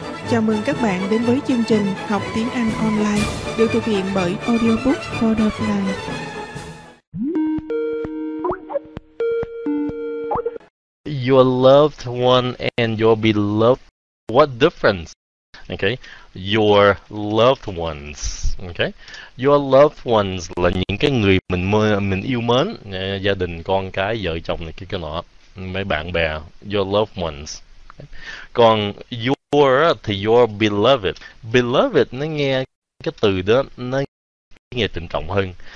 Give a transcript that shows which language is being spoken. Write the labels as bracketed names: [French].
[Vietnamese] Chào mừng các bạn đến với chương trình Học tiếng Anh Online được thực hiện bởi Audiobook for the Fly. [English] Your loved one and your beloved, what difference? Okay, your loved ones. [Vietnamese] Okay, your loved ones là những cái người mình yêu mến, gia đình, con cái, vợ chồng này kia cái nọ, mấy bạn bè. Your loved ones. Okay. Còn your thì your beloved. Beloved nó nghe cái từ đó nó nghe trịnh trọng hơn.